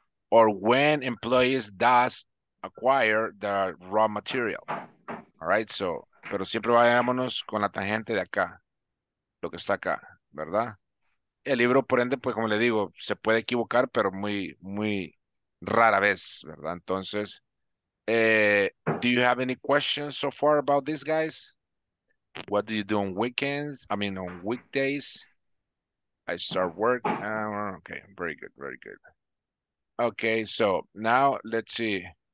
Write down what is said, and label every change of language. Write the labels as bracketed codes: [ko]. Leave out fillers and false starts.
[en] Or when employees does acquire the raw material? All right, so... [es] Pero siempre vayámonos con la tangente de acá, lo que está acá, ¿verdad? El libro, por ende, pues como le digo, se puede equivocar, pero muy, muy rara vez, ¿verdad? Entonces, [en] do you have any questions so far about this, guys? What do you do on weekends? I mean, on weekdays? I start work. Okay, very good, very good. Okay, so now let's see.